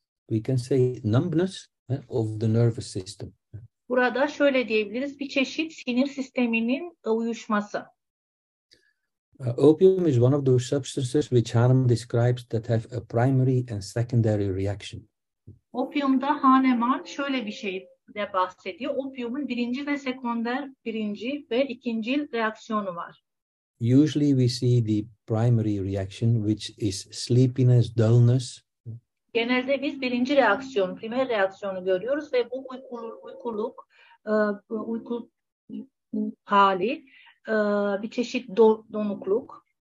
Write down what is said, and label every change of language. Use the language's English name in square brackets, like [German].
[English] we can say numbness of the nervous system. [Turkish] Burada şöyle diyebiliriz, bir çeşit sinir sisteminin uyuşması. [English] Opium is one of those substances which Hahnemann describes that have a primary and secondary reaction. [Turkish] Opium'da Hahnemann şöyle bir şey de bahsediyor. Opium'un birinci ve sekonder, birinci ve ikinci reaksiyonu var. [English] Usually we see the primary reaction which is sleepiness, dullness. [Turkish] Genelde biz birinci reaksiyon, primer reaksiyonu görüyoruz ve bu uykuluk, uyku hali, bir çeşit donukluk.